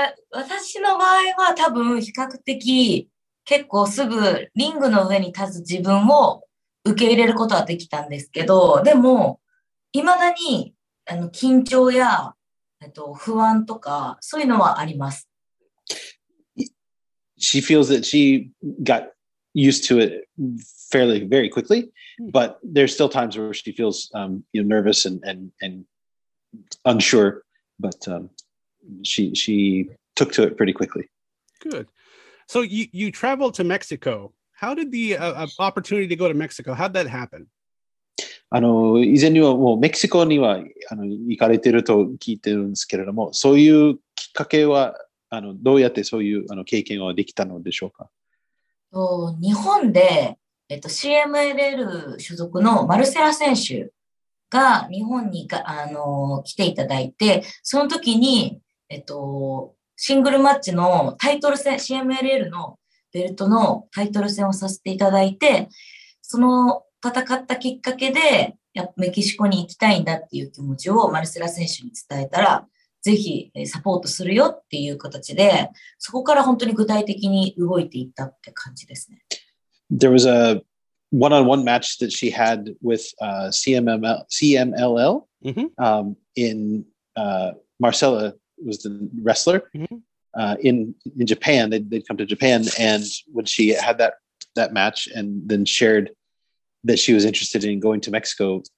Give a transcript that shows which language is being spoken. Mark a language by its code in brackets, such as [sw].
[ja] 私の場合は多分比較的結構すぐリングの上に立つ自分を受け入れることはできたんですけど、でも未だに、あの、緊張や、不安とかそういうのはあります。 [en] She feels that she got used to itfairly, very quickly, but there's still times where she feels, you know, nervous and unsure, but, she took to it pretty quickly. Good. So you traveled to Mexico. How did the opportunity to go to Mexico, how'd that happen? [ja] あの、以前にはもうメキシコには、あの、行かれてると聞いてるんですけれども、そういうきっかけは、あの、どうやってそういう、あの、経験はできたのでしょうか？日本で、CMLL 所属のマルセラ選手が日本に、来ていただいて、その時に、シングルマッチのタイトル戦、CMLL のベルトのタイトル戦をさせていただいて、その戦ったきっかけで、やっぱメキシコに行きたいんだっていう気持ちをマルセラ選手に伝えたら、ぜひサポートするよっていう形で、そこから本当に具体的に動いていったって感じですね。 [en] There was a one-on-one match that she had with CMLL、mm-hmm. In Marcella was the wrestler、mm-hmm. In Japan. They'd come to Japan, and when she had that match and then sharedthat she was interested in going to Mexico.